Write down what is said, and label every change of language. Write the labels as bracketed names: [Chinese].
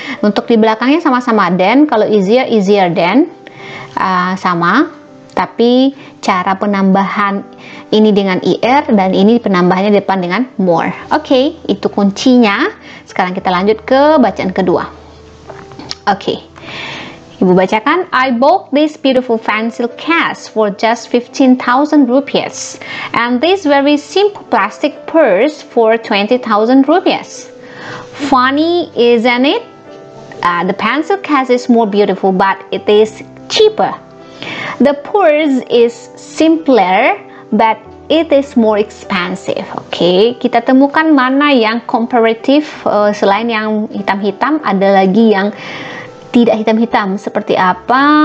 [Indonesian] Untuk di belakangnya sama-sama than, kalau easier, [English] easier than, [Indonesian] sama. Tapi cara penambahan ini dengan er dan ini penambahannya depan dengan more. Oke, itu kuncinya. Sekarang kita lanjut ke bacaan kedua. Oke. Ibu bacakan, [English] I bought this beautiful fancy case for just 15,000 rupiahs and this very simple plastic purse for 20,000 rupiahs. Funny, isn't it? The pencil case is more beautiful, but it is cheaper. The purse is simpler, but it is more expensive. [Indonesian] Okay, kita temukan mana yang komparatif. Selain yang hitam-hitam, ada lagi yang tidak hitam-hitam seperti apa?